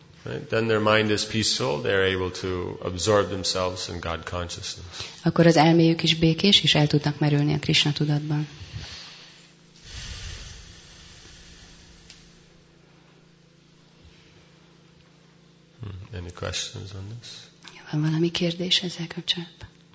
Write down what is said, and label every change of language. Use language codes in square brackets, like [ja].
[en] Right? Then their mind is peaceful, they are able to absorb themselves in God consciousness. [hu] Akkor az elméjük is békés, és el tudnak merülni a Krishna tudatban. [en] Any questions on this? [hu] Jó, van valami kérdés ezzel kapcsolatban?